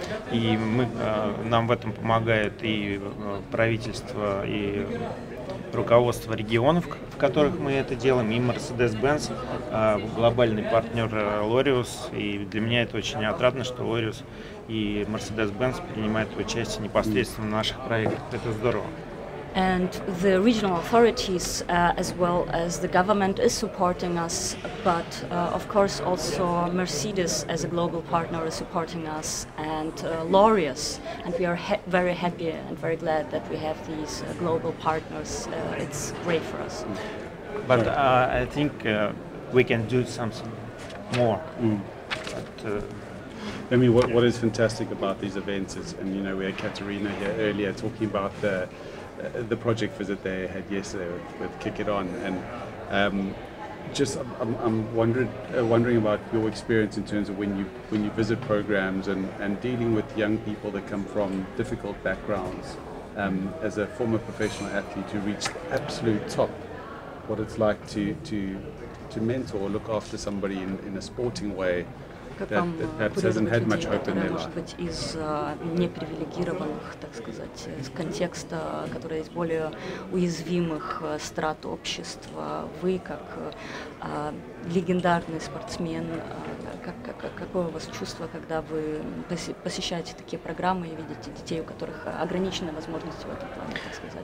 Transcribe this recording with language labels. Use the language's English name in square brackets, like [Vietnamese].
[Russian] И мы, нам в этом помогает и правительство, и руководство регионов, в которых мы это делаем, и Mercedes-Benz, глобальный партнер Laureus, и для меня это очень отрадно, что Laureus и Mercedes-Benz принимают участие непосредственно в наших проектах. Это здорово. [English] And the regional authorities, as well as the government, is supporting us. But of course, also Mercedes, as a global partner, is supporting us, and Laureus. And we are very happy and very glad that we have these global partners. It's great for us. But I think we can do something more. I mean, what is fantastic about these events is, and you know, we had Katerina here earlier talking about the project visit they had yesterday with Kick It On, and just I'm wondering about your experience in terms of when you visit programs and dealing with young people that come from difficult backgrounds. as a former professional athlete who reached the absolute top, what it's like to mentor or look after somebody in a sporting way that perhaps hasn't had much hope in their life. [Russian] Может быть, из непривилегированных, так сказать, из контекста, который из более уязвимых страт общества, вы как легендарный спортсмен, какое у вас чувство, когда вы посещаете такие программы и видите детей, у которых ограничены возможности в этом плане, так сказать?